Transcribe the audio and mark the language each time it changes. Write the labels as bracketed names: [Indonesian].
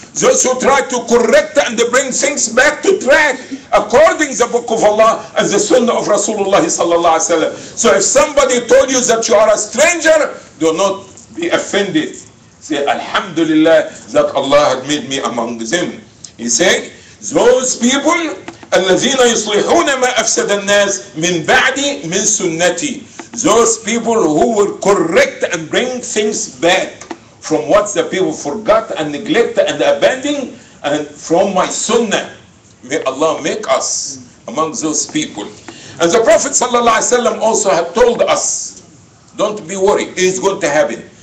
[English] Those who try to correct and bring things back to track according to the Book of Allah and the Sunnah of Rasulullah sallallahu alaihi wasallam. So if somebody told you that you are a stranger, do not be offended. Say, Alhamdulillah, that Allah had made me among them. He said, those people, [Arabic] الَّذِينَ يُصْلِحُونَ مَا أَفْسَدَ النَّاسِ مِنْ بَعْدِي مِنْ سُنَّتِي. [English] Those people who will correct and bring things back from what the people forgot and neglect and abandoned and from my sunnah. May Allah make us among those people. And the Prophet ﷺ also had told us, don't be worried, it's going to happen.